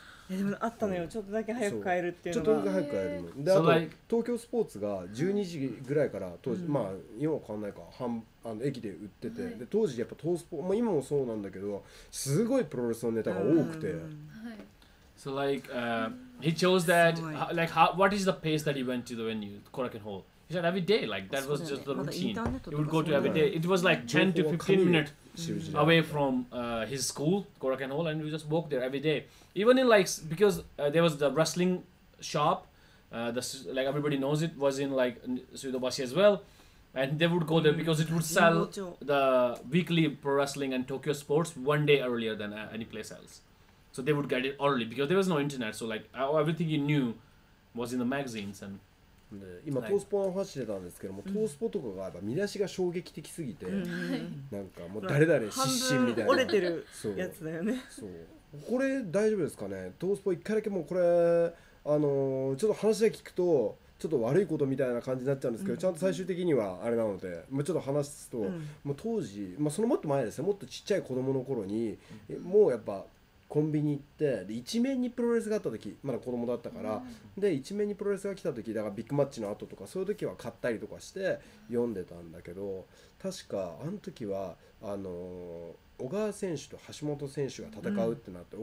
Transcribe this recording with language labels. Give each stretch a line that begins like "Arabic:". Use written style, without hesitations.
Japanese: でもあったのよ、ちょっとだけ早く帰るっていうのが。ちょっとだけ早く帰るの。で、あと東京スポーツが12時ぐらいから当時、うん、まあ今は変わんないか、駅で売ってて、はい、で当時やっぱ東スポ、まあ今もそうなんだけど、すごいプロレスのネタが多くて。はい。
English: So like, he chose that, like, how, what is the pace that he went to the venue, Korakuen Hall? He said every day, like that was just the routine. He would go to every day. It was like 10 to 15 minutes. Away from his school, Korakuen Hall, and we just walk there every day. Even in like, because there was the wrestling shop, like everybody knows it, was in like Suidobashi as well. And they would go there because it would sell the weekly pro wrestling and Tokyo sports 1 day earlier than any place else. So they would get it early because there was no internet. So like everything you knew was in the magazines and...
Japanese: 今トースポの話してたんですけども、トースポとかがやっぱ見出しが衝撃的すぎて、なんかもう誰々失神みたいな、半分折れてるやつだよね。そう、これ大丈夫ですかね、トースポ。一回だけもうこれちょっと話で聞くとちょっと悪いことみたいな感じになっちゃうんですけど、ちゃんと最終的にはあれなので、もうちょっと話すと、もう当時、まあそのもっと前ですね、もっとちっちゃい子供の頃にもうやっぱコンビニ行って、で一面にプロレスがあった時、まだ子供だったから、うん、で一面にプロレスが来た時だから、ビッグマッチの後とかそういう時は買ったりとかして読んでたんだけど、確かあの時は小川選手と橋本選手が戦うってなって、